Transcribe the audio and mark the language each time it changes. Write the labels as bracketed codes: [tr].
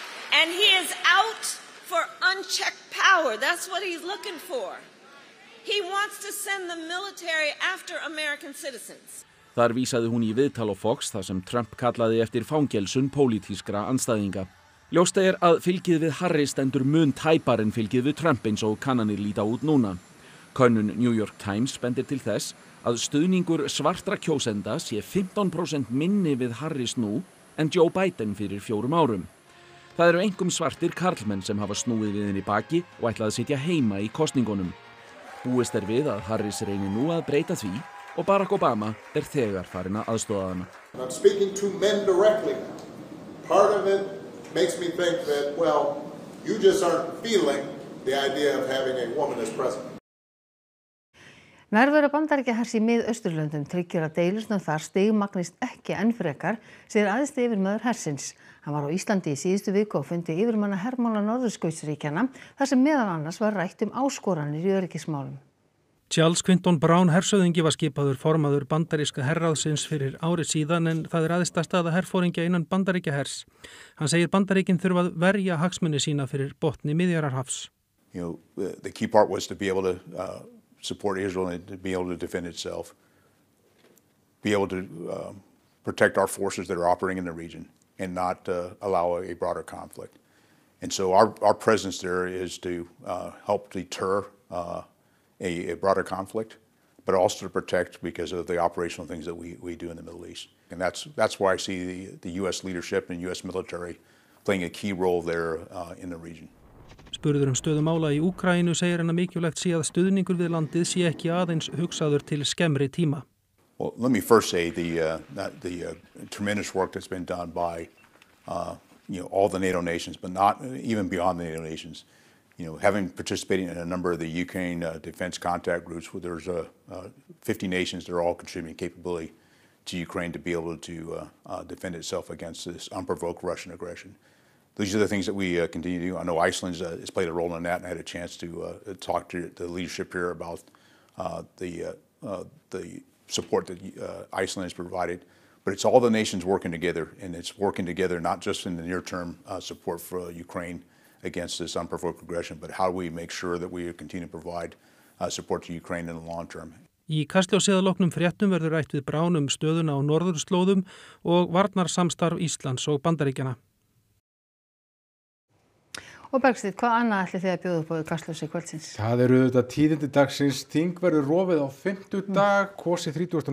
[en] And he is out for unchecked power. That's what he's looking for. He wants to send the military after American citizens. [is] Þar vísaði hún í viðtal á Fox þar sem Trump kallaði eftir fangelsun pólitískra andstæðinga. Ljóst að fylgið við Harris stendur mun tæpar en fylgið við Trump eins og kannanir líta út núna. Könnun New York Times bendir til þess að stuðningur svartra kjósenda sé 15% minni við Harris nú en Joe Biden fyrir 4 árum. Það eru einkum svartir karlmenn sem hafa snúið við henni baki og ætlaði að sitja heima í kosningunum. Búist við að Harris reyni nú að breyta því og Barack Obama þegar farin að aðstoða hana. [en] I'm speaking to men directly. Part of it makes me think that, well, you just aren't feeling the idea of having a woman as president. [is] Nærvera Bandaríkja hers í Mið-Austurlöndum tryggir að deilusnum þar stigmagnist ekki enn frekar, segir aðeins yfirmaður hersins. Hann var á Íslandi í síðustu viku og fundi yfirmanna hermála Norðurskautsríkjanna þar sem meðan annars var rætt áskoranir í öryggismálum. Charles Quinton Brown hersöðingi var skipaður formaður bandaríska herráðsins fyrir ári síðan en það æðsta staða herforingja innan Bandaríkja hers. Hann segir Bandaríkin þurfa að verja hagsmunni sína fyrir botni Miðjarðarhafs. [en] You know, the key part was to be able to support Israel and to be able to defend itself, be able to protect our forces that are operating in the region and not allow a broader conflict. And so our presence there is to help deter a broader conflict, but also to protect because of the operational things that we do in the Middle East. And that's why I see the U.S. leadership and U.S. military playing a key role there in the region. [is] Spurður stöðu mála í Úkraínu segir hann að mikilvægt sé að stuðningur við landið sé ekki aðeins hugsaður til skemmri tíma. [en] Well, let me first say the tremendous work that's been done by you know all the NATO nations but not even beyond the NATO nations. You know, having participated in a number of the Ukraine defense contact groups where there's 50 nations that are all contributing capability to Ukraine to be able to defend itself against this unprovoked Russian aggression. These are the things that we continue to do. I know Iceland has played a role in that, and I had a chance to talk to the leadership here about the support that Iceland has provided. But it's all the nations working together, and it's working together not just in the near-term support for Ukraine against this unprovoked aggression, but how do we make sure that we continue to provide support to Ukraine in the long term. [is] Í Kastljósið að loknum fréttum verður rætt við Brown stöðuna á norðurslóðum og varnarsamstarf Íslands og Bandaríkjana. Og Bergsteinn, hvað annað ætlið þið að bjóða upp á Kastljósi kvöldsins? Það eru auðvitað tíðindi dagsins. Þing verður rofið á 5. dag, kosið 30.